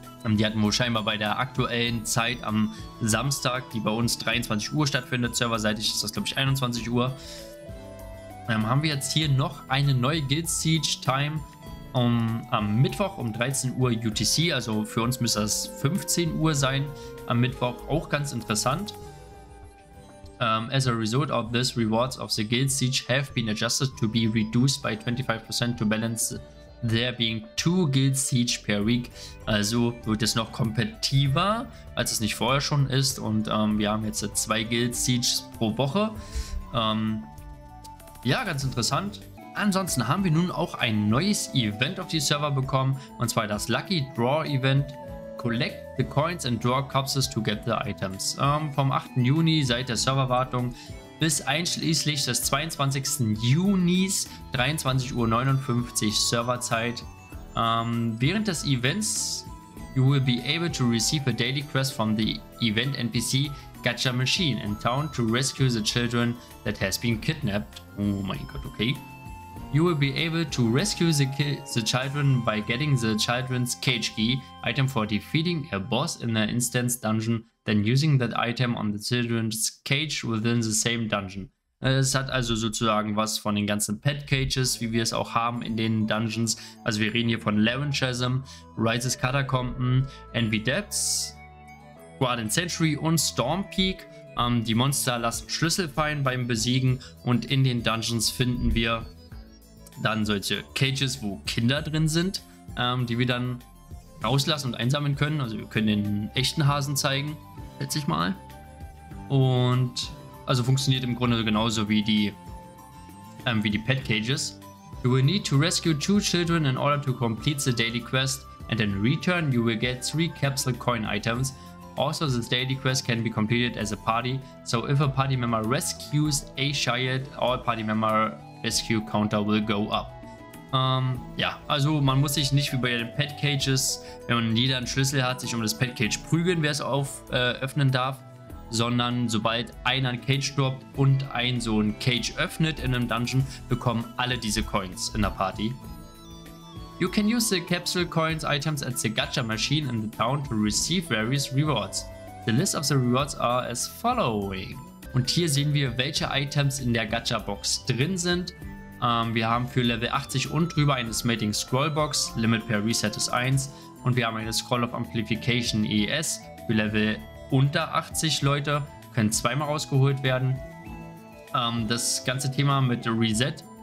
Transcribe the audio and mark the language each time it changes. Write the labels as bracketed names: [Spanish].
[German] Die hatten wohl scheinbar bei der aktuellen Zeit am Samstag, die bei uns 23 Uhr stattfindet, serverseitig ist das, glaube ich, 21 Uhr. Haben wir jetzt hier noch eine neue Guild Siege Time am Mittwoch um 13 Uhr UTC, also für uns müsste das 15 Uhr sein am Mittwoch, auch ganz interessant. [English] As a result of this, rewards of the Guild Siege have been adjusted to be reduced by 25% to balance there being 2 Guild Siege per week. [German] Also wird es noch kompetitiver, als es nicht vorher schon ist. Und wir haben jetzt 2 Guild Sieges pro Woche. Ja, ganz interessant. Ansonsten haben wir nun auch ein neues Event auf die Server bekommen. Und zwar das Lucky Draw Event. [English] Collect the Coins and Draw Corpses to get the Items. [German] Vom 8. Juni seit der Serverwartung bis einschließlich des 22. Junis, 23.59 Uhr Serverzeit. Während des Events, [English] you will be able to receive a daily quest from the event NPC Gacha Machine in town to rescue the children that has been kidnapped. [German] Oh mein Gott, okay. [English] You will be able to rescue the children by getting the children's cage key item for defeating a boss in the instance dungeon, then using that item on the children's cage within the same dungeon. [German] Es hat also sozusagen was von den ganzen Pet Cages, wie wir es auch haben in den Dungeons. Also wir reden hier von Laren Chasm, Rise's Catacomben, Envy Depths, Guardian Sanctuary und Storm Peak. Die Monster lassen Schlüssel fallen beim Besiegen und in den Dungeons finden wir dann solche Cages, wo Kinder drin sind, die wir dann rauslassen und einsammeln können. Also wir können den echten Hasen zeigen, schätze ich mal. Und also funktioniert im Grunde genauso wie die Pet Cages. [English] You will need to rescue 2 children in order to complete the daily quest, and in return you will get 3 capsule coin items. Also, this daily quest can be completed as a party. So if a party member rescues a child, all party member rescue counter will go up. [German] Ja, also man muss sich nicht wie bei den Pet Cages, wenn man jeder einen Schlüssel hat, sich um das Pet Cage prügeln, wer es öffnen darf, sondern sobald einer ein Cage droppt und ein so ein Cage öffnet in einem Dungeon, bekommen alle diese Coins in der Party. [English] You can use the capsule coins items at the gacha machine in the town to receive various rewards. The list of the rewards are as following. [German] Und hier sehen wir, welche Items in der Gacha Box drin sind. Wir haben für Level 80 und drüber eine Smelting Scrollbox, Limit per Reset ist 1. Und wir haben eine Scroll of Amplification ES, für Level unter 80 Leute, können zweimal rausgeholt werden. Das ganze Thema mit Reset